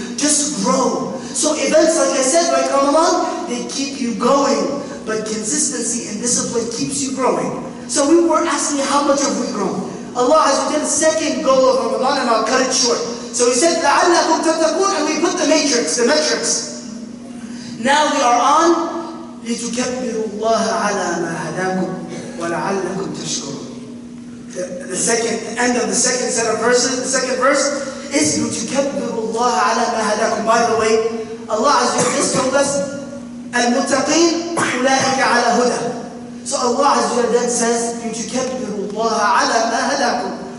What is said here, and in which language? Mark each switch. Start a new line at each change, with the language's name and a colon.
English: Just grow. So events, like I said, like Ramadan, they keep you going. But consistency and discipline keeps you growing. So we were asking, how much have we grown? Allah has given the second goal of Ramadan, and I'll cut it short. So he said,
Arabic: لَعَلَّكُمْ تَتَّقُونَ,
English: and we put the matrix, the metrics. Now we are on,
Arabic: لِتُكَبِّرُوا اللَّهَ عَلَى مَا هَدَاكُمْ وَلَعَلَّكُمْ تَشْكُرُونَ.
English: The second, the end of the second set of verses, the second verse, is
Arabic: لِتُكَبِّرُوا اللَّهَ عَلَى مَا هَدَاكُمْ.
English: By the way, Allah has just told us,
Arabic: الْمُتَّقِينَ أُولَٰئِكَ عَلَى هُدَى.
English: So Allah Azza wa Jalla says,
Arabic: لِتُكَبِّرُوا اللَّهَ عَلَى مَا هَدَاكُمْ.